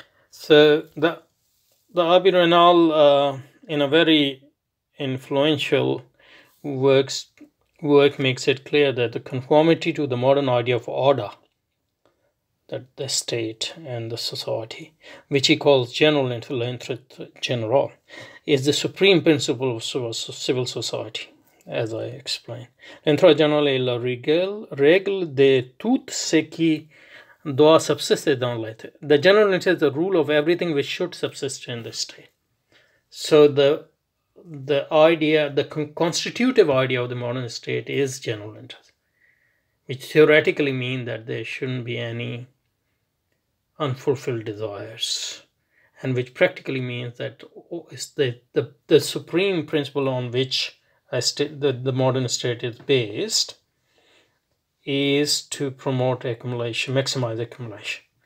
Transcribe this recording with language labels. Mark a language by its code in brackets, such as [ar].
[en] So the Abhi Rainal, in a very influential work, makes it clear that the conformity to the modern idea of order, that the state and the society, which he calls general interest general, is the supreme principle of civil society, as I explained. [fr] L'interest general est la règle de tout ce qui doit subsister dans l'état. [en] The general interest is the rule of everything which should subsist in the state. So the idea, the constitutive idea of the modern state is general interest, which theoretically means that there shouldn't be any unfulfilled desires, and which practically means that it's the supreme principle on which the modern state is based is to promote accumulation, maximize accumulation,